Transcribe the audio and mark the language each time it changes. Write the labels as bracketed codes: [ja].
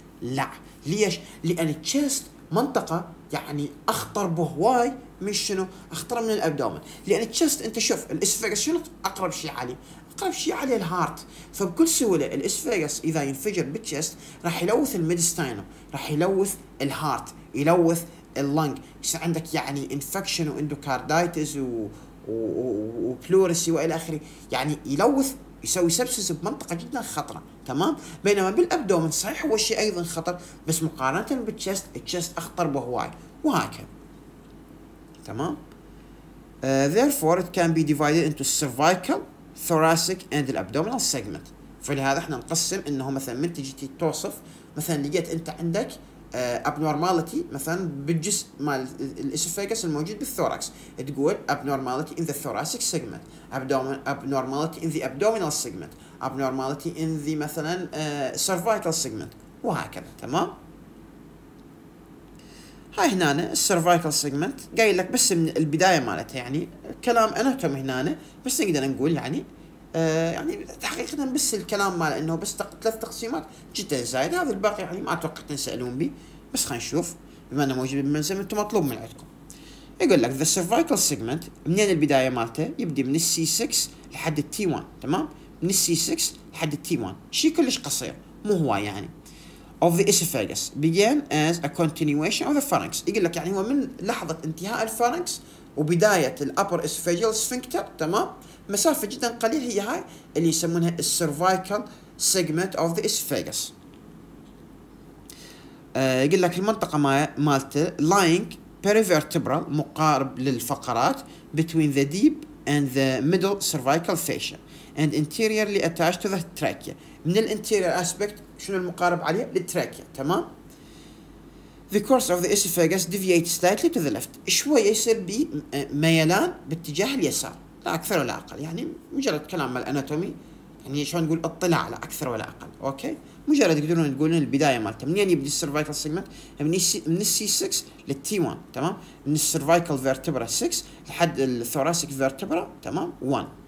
[ar] لا، ليش؟ لان التشست منطقه يعني اخطر بهواي من شنو؟ اخطر من الابدومن، لان التشست انت شوف الاسفاجس شنو اقرب شيء عليه؟ اقرب شيء عليه الهارت، فبكل سهوله الاسفاجس اذا ينفجر بالتشست راح يلوث الميدستاينوم، راح يلوث الهارت، يلوث اللنج، يصير عندك يعني انفكشن واندوكاردايتس وبلورسي والى اخره، يعني يلوث، يسوي سبسس بمنطقه جدا خطره. تمام، بينما بالابدومن صحيح هو شيء ايضا خطر، بس مقارنه بالتشست، التشست اخطر بهواي، وهكذا. تمام، [en] therefore it can be divided into cervical, thoracic and the abdominal segment. [ar] فلهذا احنا نقسم انه مثلا من تجي توصف مثلا، لقيت انت عندك abnormality مثلا بالجزء مال الاسفاجس الموجود بالثوراكس، تقول [en] abnormality in the thoracic segment، abnormality in the abdominal segment، abnormality in the [ar] مثلا cervical segment، وهكذا. تمام، هاي هنا السيرفايكال سيجمنت قايل لك بس من البدايه مالتها يعني كلام اناتومي هنا بس نقدر نقول يعني يعني تحقيقا بس الكلام مال انه بس ثلاث تقسيمات جدا زايد هذا الباقي يعني ما اتوقع تسالون بي بس خلينا نشوف بما انه موجود بالمنزل انتم مطلوب من عندكم. يقول لك [en] the cervical segment [ar] منين البدايه مالته؟ يبدي من السي 6 لحد التي 1 تمام؟ من السي 6 لحد التي 1 شيء كلش قصير مو هو يعني. [en] of the esophagus began as a continuation of the pharynx. [ar] يقول لك يعني هو من لحظه انتهاء الفارنكس وبدايه الابر اسفيجال سفنكتر تمام؟ مسافه جدا قليله هي هاي اللي يسمونها [en] السيرفايكال segment of the esophagus. [ar] يقول لك المنطقه مالته [en] lying perivertebral [ar] مقارب للفقرات [en] بين the deep and the middle cervical fascia and anteriorly attached to the trachea. [ar] من الانتيريور اسبيكت شنو المقارب عليه؟ للتراكيا تمام؟ [en] The course of the esophagus deviates slightly to the left. [ar] شوي يصير بي ميلان باتجاه اليسار. لا أكثر ولا أقل. يعني مجرد كلام مال الأناتومي. يعني شو نقول اطلاع على أكثر ولا أقل. أوكي. مجرد يقدرون يقولون البداية مالته منين يبدي السيرفايكال سيجمنت من السي 6 للتي 1 تمام. من السيرفايكال فيرتبرا 6 لحد الثوراسيك فيرتبرا تمام 1.